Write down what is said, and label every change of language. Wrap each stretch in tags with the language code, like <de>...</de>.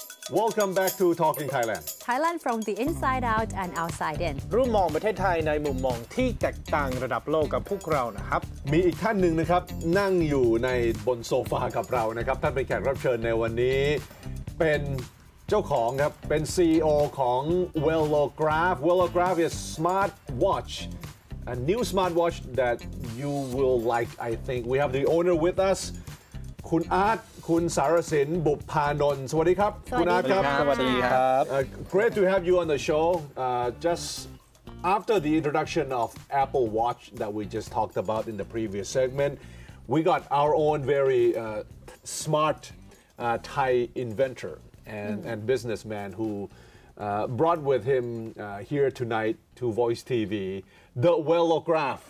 <en>Welcome back to Talking Thailand. Thailand from the inside out and outside in.</en> <th>รูปมองประเทศไทยในมุมมองที่แตกต่างระดับโลกกับพวกเรานะครับ มีอีกท่านหนึ่งนะครับนั่งอยู่ในบนโซฟากับเรานะครับท่านเป็นแขกรับเชิญในวันนี้เป็นเจ้าของครับเป็น CEO ของ Wellograph.</th> <en>Wellograph is smart watch. A new smart watch that you will like, I think. We have the owner with us.</en> <th>คุณอาร์ตคุณสารสินบุพพานนท์สวัสดีครับคุ ณอาร์ตครับ สวัสดีครับ</th> <en>great to have you on the show just after the introduction of Apple Watch that we just talked about in the previous segment we got our own very smart Thai inventor and, mm. and businessman who brought with him here tonight to Voice TV, the Wellograph.</en>